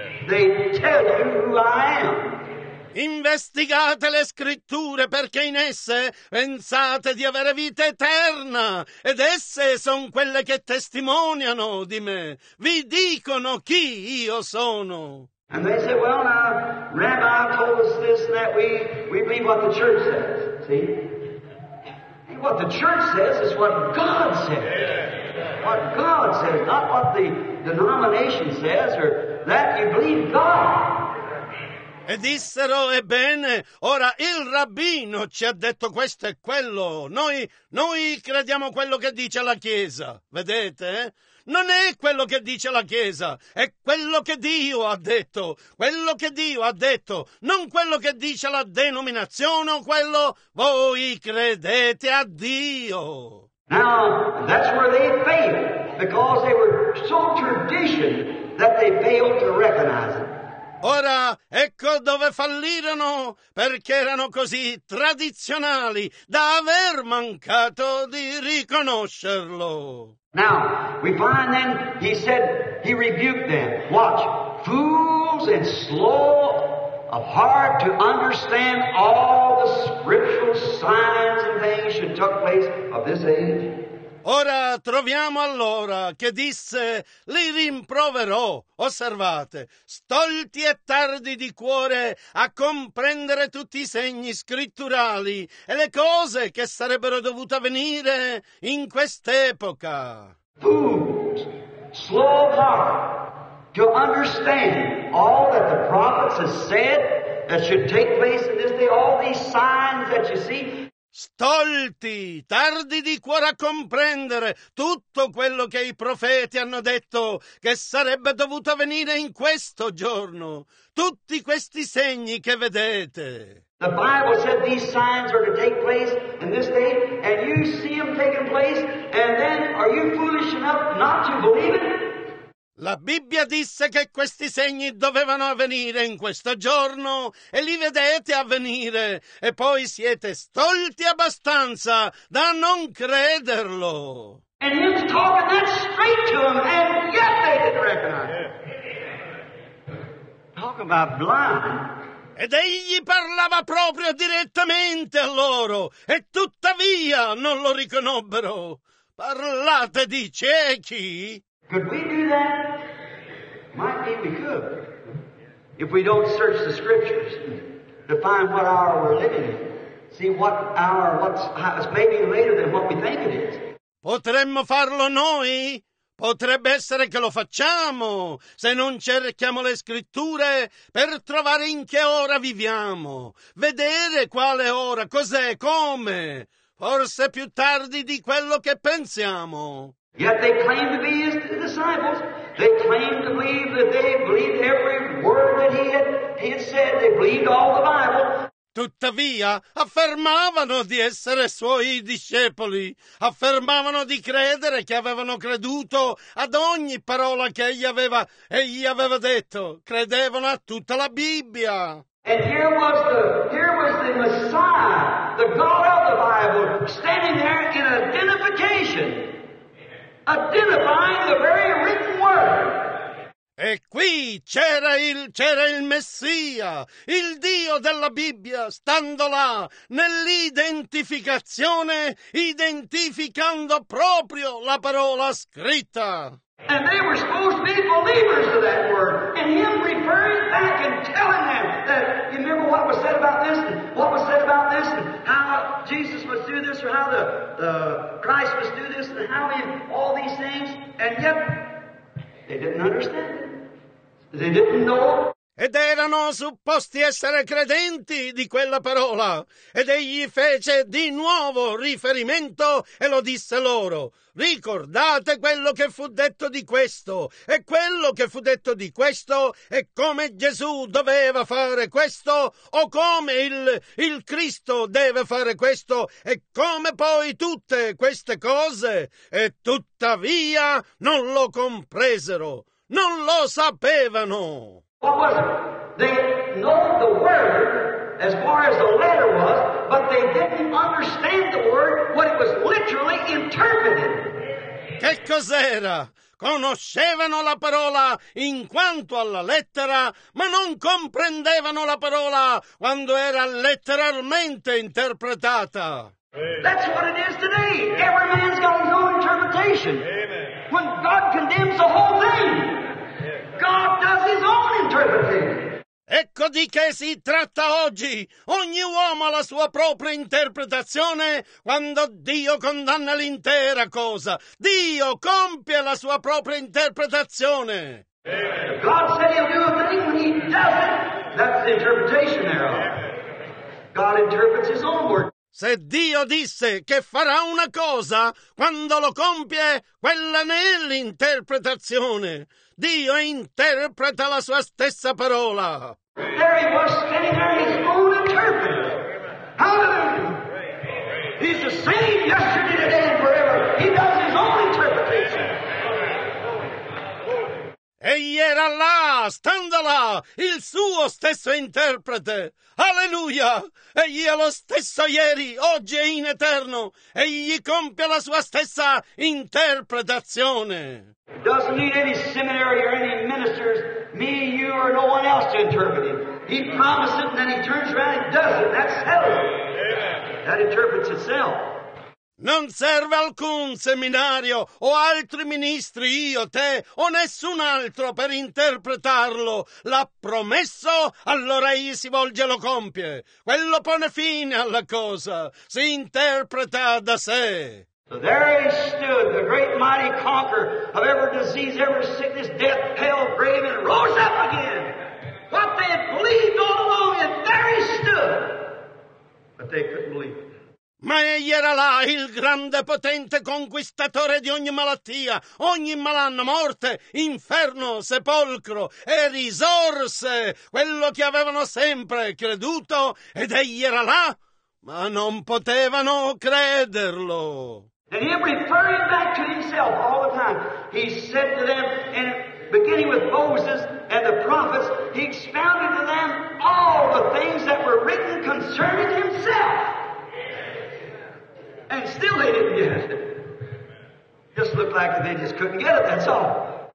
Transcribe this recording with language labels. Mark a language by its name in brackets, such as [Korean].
[English] They tell you who I am. [Italian] Investigate le scritture perché in esse pensate di avere vita eterna ed esse sono quelle che testimoniano di me. Vi dicono chi io sono. [English] And they say, well now, Rabbi told us this and that, we believe what the church says. See? What the church says is what God says. What God says, not what the denomination says or that you believe God. [Italian] E dissero, ebbene, ora il rabbino ci ha detto questo e quello. Noi crediamo quello che dice la Chiesa, vedete? Non è quello che dice la Chiesa, è quello che Dio ha detto. Quello che Dio ha detto, non quello che dice la denominazione o quello. Voi credete a Dio. [English] Now, that's where they failed, because they were so traditioned that they failed to recognize it. [Italian] Ora, ecco dove fallirono, perché erano così tradizionali da aver mancato di riconoscerlo. [English] Now, we find then, he said, he rebuked them. Watch, fools and slow of heart to understand all the scriptural signs and things that took place of this age. [Italian] Ora troviamo allora che disse, li rimproverò, osservate, stolti e tardi di cuore a comprendere tutti i segni scritturali e le cose che sarebbero dovute avvenire in quest'epoca. [English] Fools, slow of heart to understand all that the prophets have said that should take place in this day, all these signs that you see. [Italian] Stolti, tardi di cuore a comprendere tutto quello che i profeti hanno detto che sarebbe dovuto avvenire in questo giorno, tutti questi segni che vedete. [English] The Bible said these signs are to take place in this day, and you see them taking place, and then are you foolish enough not to believe it? [Italian] La Bibbia disse che questi segni dovevano avvenire in questo giorno e li vedete avvenire e poi siete stolti abbastanza da non crederlo. [English] And he's talking that straight to them and yet they didn't recognize it. Talk about blind. [Italian] Ed egli parlava proprio direttamente a loro e tuttavia non lo riconobbero. Parlate di ciechi. [English] Could we do that? Might be we could. If we don't search the scriptures to find what hour we're living in. See what hour, what's maybe later than what we think it is. [Italian] Potremmo farlo noi? Potrebbe essere che lo facciamo se non cerchiamo le scritture per trovare in che ora viviamo. Vedere quale ora, cos'è, come. Forse più tardi di quello che pensiamo. [English] Yet they claim to be his disciples. They claim to believe that they believed every word that he had said. They believed all the Bible. [Italian] Tuttavia, affermavano di essere suoi discepoli. Affermavano di credere che avevano creduto ad ogni parola che egli aveva detto. Credevano a tutta la Bibbia. [English] And here was the Messiah, the God of the Bible, standing there in identification. Identifying the very written word. [Italian] E qui c'era il Messia, il Dio della Bibbia, stando là nell'identificazione, identificando proprio la parola scritta. [English] And they were supposed to be believers of that word. And him referring back and telling them that, you remember what was said about this, and what was said about this, and how Jesus must do this, or how the Christ must do this, and how in all these things, and yet they didn't understand it. They didn't know it. [Italian] Ed erano supposti essere credenti di quella parola. Ed egli fece di nuovo riferimento e lo disse loro. Ricordate quello che fu detto di questo e quello che fu detto di questo e come Gesù doveva fare questo o come il Cristo deve fare questo e come poi tutte queste cose. E tuttavia non lo compresero. Non lo sapevano. [English] What was it? They know the word as far as the letter was, but they didn't understand the word, what it was literally interpreted. [Italian] Che cos'era? Conoscevano la parola in quanto alla lettera, ma non comprendevano la parola quando era letteralmente interpretata. [English] That's what it is today. Every man's got his own interpretation. Amen. When God condemns the whole thing, God does his own interpretation. [Italian] Ecco di che si tratta oggi. Ogni uomo ha la sua propria interpretazione quando Dio condanna l'intera cosa. Dio compie la sua propria interpretazione. Amen. [English] God said he'll do a thing when he does it. That's the interpretation error. God interprets his own word. [Italian] Se Dio disse che farà una cosa, quando lo compie, quella ne è l'interpretazione. Dio interpreta la sua stessa parola. [English] There he was standing there, his own interpreter. Hallelujah! He's the same yesterday, today, and forever. He does his own interpretation. [Italian] Egli era là, stando là, il suo stesso interprete. Alleluia! Egli è lo stesso ieri, oggi e in eterno. Egli compie la sua stessa interpretazione. [English] Doesn't need any seminary or any ministers, me, you, or no one else to interpret it. He promises it, and then he turns around and does it. That's heaven. That interprets itself. [Italian] Non serve alcun seminario o altri ministri, io, te o nessun altro per interpretarlo. L'ha promesso, allora egli si volge e lo compie. Quello pone fine alla cosa, si interpreta da sé. [English] So there he stood, the great mighty conqueror of every disease, every sickness, death, hell, grave, and rose up again. What they had believed all along, and there he stood. But they couldn't believe it. [Italian] Ma egli era là, il grande, potente conquistatore di ogni malattia, ogni malanno, morte, inferno, sepolcro, e risorse quello che avevano sempre creduto, ed egli era là, ma non potevano crederlo. [English] And him referring back to himself all the time, he said to them, and beginning with Moses and the prophets, he expounded to them all the things that were written concerning himself. And still they didn't get it. Just looked like they just couldn't get it, that's all.